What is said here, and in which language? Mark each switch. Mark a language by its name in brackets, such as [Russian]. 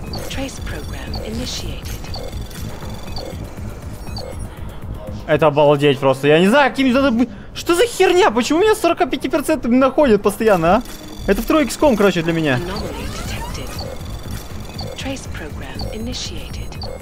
[English] Trace program initiated. [Russian] Это обалдеть просто. Я не знаю, какими надо быть. Что за херня? Почему меня 45% находят постоянно, а? Это в тройке XCOM, короче, для меня. [English] Anomaly detected. Trace program initiated.